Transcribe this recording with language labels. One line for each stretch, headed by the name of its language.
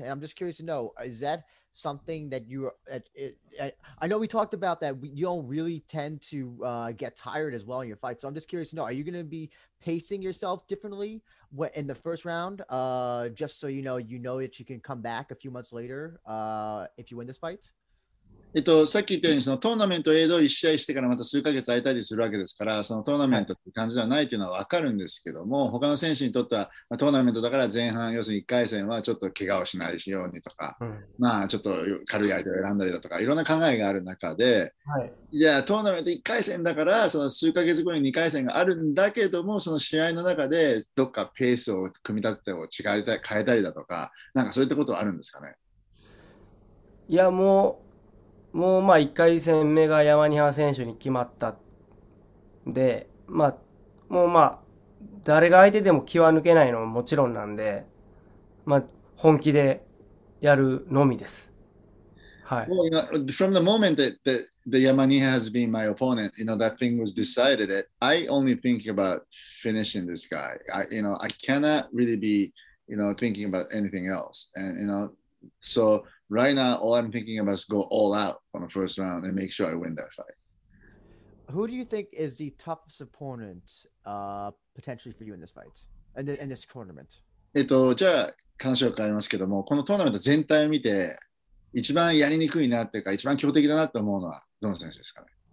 English: And I'm just curious to know, is that something that you I know we talked about that you don't really tend to get tired as well in your fight. So I'm just curious to know, are you going to be pacing yourself differently in the first round, just so you know that you can come back a few months later if you win this fight?
Japanese: さっき言ったように、そのトーナメント A と1試合してからまた数ヶ月空いたりするわけですから、そのトーナメントって感じではないというのは分かるんですけども、他の選手にとっては、まあ、トーナメントだから前半、要するに1回戦はちょっと怪我をしないようにとか、まあ、ちょっと軽い相手を選んだりだとか、いろんな考えがある中で、いや、トーナメント1回戦だから、その数ヶ月後に2回戦があるんだけども、その試合の中でどっかペースを組み立てを違えたり変えたりだとか、なんかそういったことはあるんですかね。いや、もうまあ1回戦目がヤマニハ選手に決まったで、まあもうまあ誰が相手でも気は抜けないのももちろんなんで、まあ本気でやるのみです。
English: Well, you know, from the moment that the Yamaniha has been my opponent, you know, that thing was decided, I only think about finishing this guy. I cannot really be, thinking about anything else. And, so right now, all I'm thinking about is go all out on the first round and make sure I win that fight. Who do you think is the toughest opponent, potentially for you in this fight, in this tournament?
Japanese: じゃあ、話を変えますけども、このトーナメント全体を見て、一番やりにくいなっていうか、一番強敵だなと思うのは、どの選手ですかね。